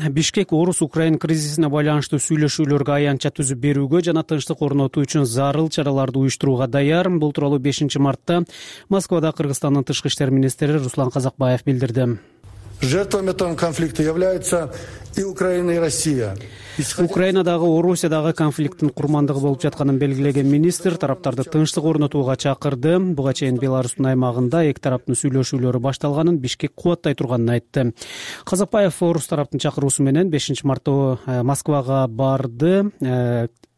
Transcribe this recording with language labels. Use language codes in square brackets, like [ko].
[ky] Бишкек орус украин кризисине байланыштуу сүйлөшүүлөргө аянча түзүп берүүгө жана тынчтык орнотуу үчүн зарыл чараларды уюштурууга даяр. Бул тууралуу 5 мартта Москвада Кыргызстандын тышкы иштер министри Руслан Казакбаев билдирди. [ru] Жертвами этого конфликта являются и Украина, и Россия. [ky] Украинадагы Орусиядагы конфликттин курмандыгы болуп жатканын белгилеген министр тараптарды тынчтык орнотууга чакырды. Буга чейин Беларусьтун аймагында эки тараптын сүйлөшүүлөрү башталганын, Бишкек кубаттай турганын айтты. Казакбаев орус тараптын чакыруусу менен 5 мартта Москвага барды.